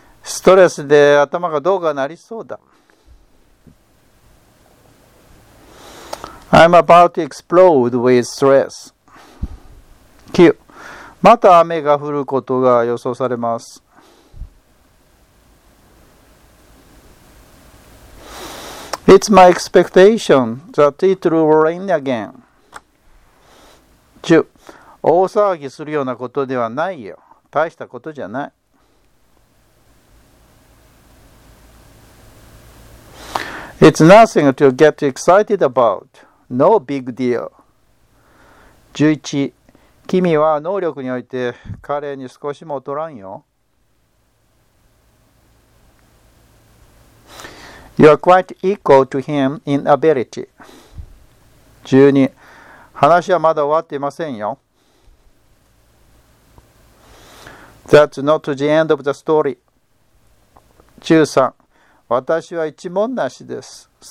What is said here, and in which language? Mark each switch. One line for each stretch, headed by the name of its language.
Japanese: ストレスで頭がどうかなりそうだ。
English: I'm about to explode with stress. 9.
Japanese: また雨が降ることが予想されます。
English: It's my expectation that it will rain again. 10.
Japanese: 大騒ぎするようなことではないよ。大したことじゃない。
English: It's nothing to get excited about. No big deal. 11.
Japanese: 君は能力において彼に少しも劣らんよ。
English: You are quite equal to him in ability. 12.
Japanese: 話はまだ終わっていませんよ。
English: That's not the end of the story. 13.
Japanese: 私は一文なしです。